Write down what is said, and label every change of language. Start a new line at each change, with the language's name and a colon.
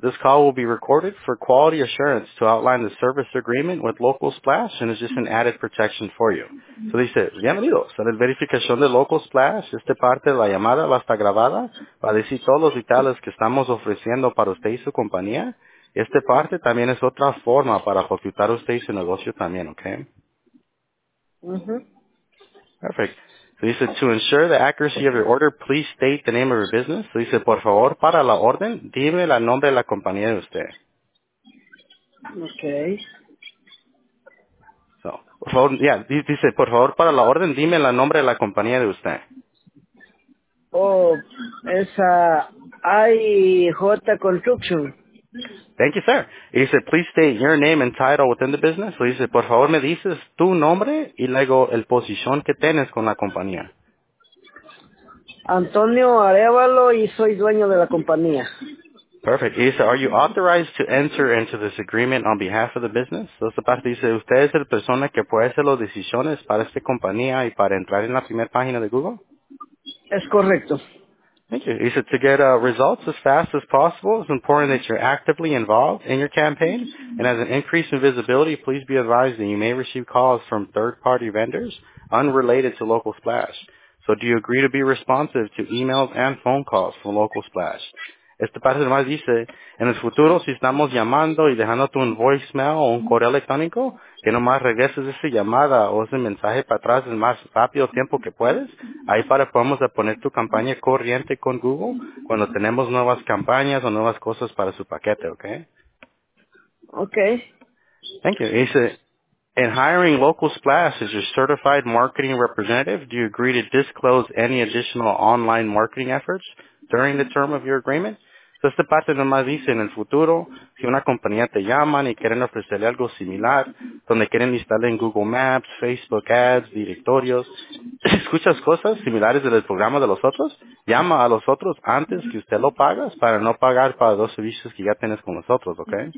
English: This call will be recorded for quality assurance to outline the service agreement with Local Splash and is just an added protection for you.
Spanish: So Lisa, bienvenidos a la verificación de Local Splash. Esta parte de la llamada va a estar grabada para decir todos los detalles que estamos ofreciendo para usted y su compañía. Esta parte también es otra forma para facultar usted y su negocio también, okay?
English: Perfect.
Spanish: Dice,
English: to ensure the accuracy of your order, please state the name of your business.
Spanish: Dice, por favor, para la orden, dime el nombre de la compañía de usted.
English: Okay.
Spanish: So, por favor, dice, por favor, para la orden, dime el nombre de la compañía de usted. Oh, es IJ Construction.
English: Thank you, sir. He said, please state your name and title within the business. So he said,
Spanish: por favor, me dices tu nombre y luego el posición que tienes con la compañía. Antonio Arevalo y soy dueño de la compañía.
English: Perfect. He said, are you authorized to enter into this agreement on behalf of the business?
Spanish: So esta parte dice, usted es la persona que puede hacer las decisiones para esta compañía y para entrar en la primera página de Google? Es correcto.
English: Thank you. He said, to get results as fast as possible, it's important that you're actively involved in your campaign. And as an increase in visibility, please be advised that you may receive calls from third-party vendors unrelated to Local Splash. So do you agree to be responsive to emails and phone calls from Local Splash?
Spanish: Esta parte nomás dice, en el futuro, si estamos llamando y dejándote un voicemail o un correo electrónico, que nomás regreses esa llamada o ese mensaje para atrás el más rápido tiempo que puedes, ahí para podemos poner tu campaña corriente con Google cuando tenemos nuevas campañas o nuevas cosas para su paquete, ¿ok? Ok.
English: Thank you.
Spanish: Dice,
English: in hiring Local Splash as your certified marketing representative, do you agree to disclose any additional online marketing efforts during the term of your agreement?
Spanish: So esta parte nomás dice, en el futuro, si una compañía te llama y quieren ofrecerle algo similar, donde quieren instalar en Google Maps, Facebook Ads, directorios, escuchas cosas similares del programa de los otros, llama a los otros antes que usted lo pagas para no pagar para dos servicios que ya tienes con los otros, ¿ok?